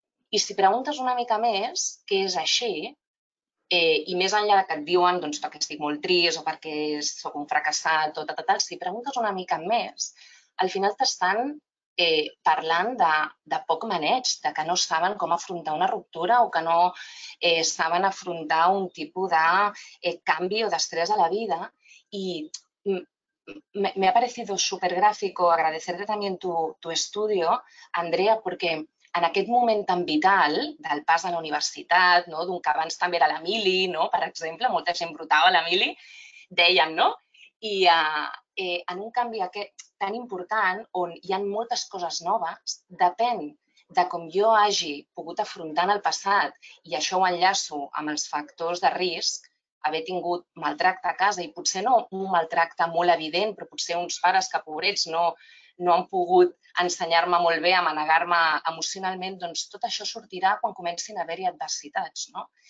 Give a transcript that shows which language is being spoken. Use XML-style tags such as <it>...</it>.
<ca>I si preguntes una mica més què és així, i més enllà que et diuen doncs, perquè estic molt trist o perquè sóc un fracassat, o tal, si preguntes una mica més, al final t'estan parlant de poc maneig, de que no saben com afrontar una ruptura o que no saben afrontar un tipus de canvi o d'estrès a la vida.</ca> <es>I me ha parecido súper gráfico agradecerte también tu estudio, Andrea, porque</es> <ca>en aquest moment tan vital del pas a la universitat, no? D'un que abans també era la mili, no? Per exemple, molta gent brotava la mili, dèiem, no? I en un canvi aquest tan important, on hi ha moltes coses noves, depèn de com jo hagi pogut afrontar en el passat, i això ho enllaço amb els factors de risc, haver tingut maltracte a casa, i potser no un maltracte molt evident, però potser uns pares que, pobrets, no han pogut ensenyar-me molt bé a manegar-me emocionalment, doncs tot això sortirà quan comencin a haver-hi adversitats, no?</ca>